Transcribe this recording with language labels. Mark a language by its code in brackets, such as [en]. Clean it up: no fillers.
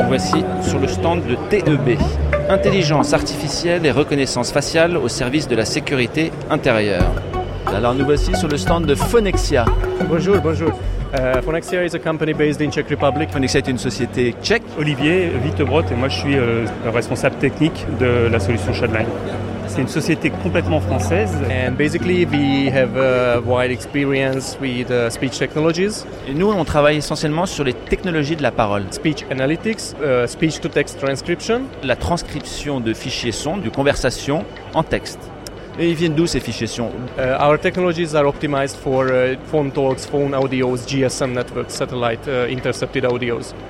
[fr] Nous voici sur le stand de TEB, Intelligence Artificielle et Reconnaissance Faciale au service de la sécurité intérieure. Alors nous voici sur le stand de Fonexia. Bonjour, bonjour. [en] Fonexia is a company based in Czech Republic. [fr] Fonexia est une société tchèque. Olivier Vitebrot et moi je suis le responsable technique de la solution Shadline. C'est une société complètement française. [en] And basically we have a wide experience with speech technologies. [fr] Et nous on travaille essentiellement sur les technologies de la parole. [en] Speech analytics, speech to text transcription. [fr] La transcription de fichiers son, de conversations en texte. Et ils viennent d'où ces fichiers sons? [en] Our technologies are optimized for phone talks, phone audios, GSM networks, satellite intercepted audios.